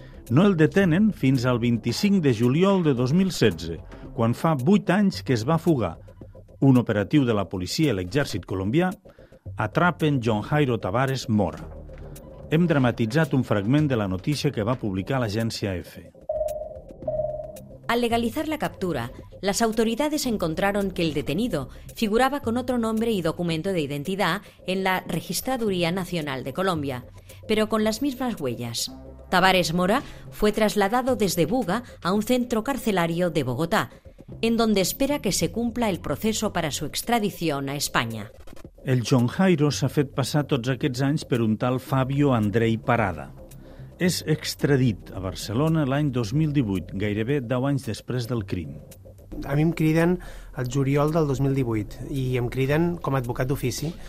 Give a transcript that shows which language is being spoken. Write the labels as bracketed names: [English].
[Catalan] No el detenen fins al 25 de juliol de 2016, quan fa 8 anys que es va fugar. Un operatiu de la policia i l'exèrcit colombià atrapen John Jairo Tavares Mora. Hem dramatitzat un fragment de la notícia que va publicar l'agència EFE. [Spanish] Al legalizar la captura, las autoridades encontraron que el detenido figuraba con otro nombre y documento de identidad en la Registraduría Nacional de Colombia, pero con las mismas huellas. Tavares Mora fue trasladado desde Buga a un centro carcelario de Bogotá, en donde espera que se cumpla el proceso para su extradición a España. [Catalan] El John Jairo s'ha fet passar tots aquests anys per un tal Fabio Andrei Parada. És extradit a Barcelona l'any 2018, gairebé 10 anys després del crim. A mi em criden el juliol del 2018 i em criden com a advocat d'ofici.